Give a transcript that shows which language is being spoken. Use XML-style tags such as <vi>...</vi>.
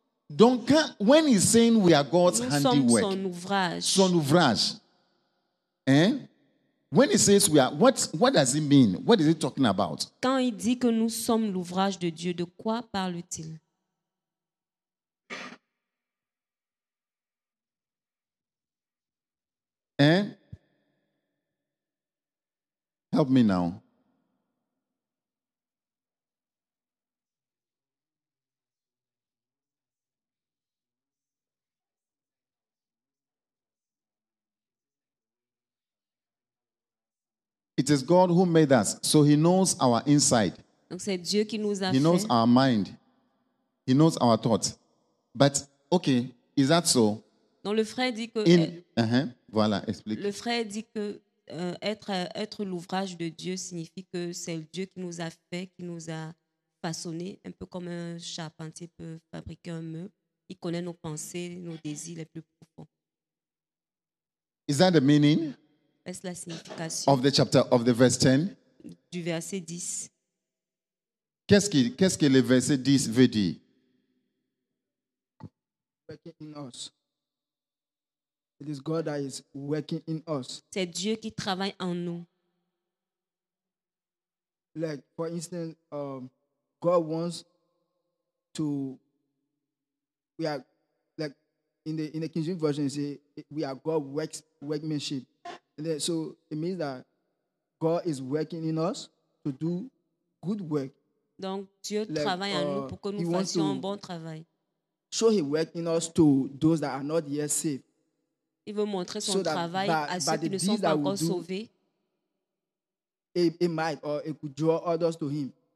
<en>Donc, when he's saying we are God's handiwork.</en> <fr>Nous sommes ouvrage. Son ouvrage. Hein?</fr> <en>When he says we are, what does he mean? What is he talking about?</en> <fr>Quand il dit que nous sommes l'ouvrage de Dieu, de quoi parle-t-il? Hein?</fr> <en>Help me now. It is God who made us, so he knows our inside.</en> <fr>Donc c'est Dieu qui nous a</fr> <en>he knows</en> <fr>fait.</fr> <en>Our mind. He knows our thoughts. But, okay, is that so?</en> <fr>Donc le frère dit que... Voilà, explique. Le frère dit que être l'ouvrage de Dieu signifie que c'est Dieu qui nous a fait, qui nous a façonné, un peu comme un charpentier peut fabriquer un meuble. Il connaît nos pensées, nos désirs les plus profonds.</fr> <en>Is that the meaning?</en> <fr>Est-ce la signification?</fr> <en>Of the chapter, of the verse 10?</en> <fr>Du verset 10. Qu'est-ce que le verset 10 veut dire?</fr> <en>Working in us. It is God that is working in us.</en> <fr>C'est Dieu qui travaille en nous.</fr> <en>Like, for instance, God wants to, we are, like, in the King James Version, it says, we are God works workmanship. And then, so it means that God is working in us to do good work.</en> <fr>Donc Dieu like, travaille en nous pour que nous fassions un bon travail.</fr> <en>Show his work in us to those that are not yet saved.</en> <fr>Il veut montrer son travail à ceux qui ne sont pas encore sauvés.</fr> <en>It could draw others to him.</en>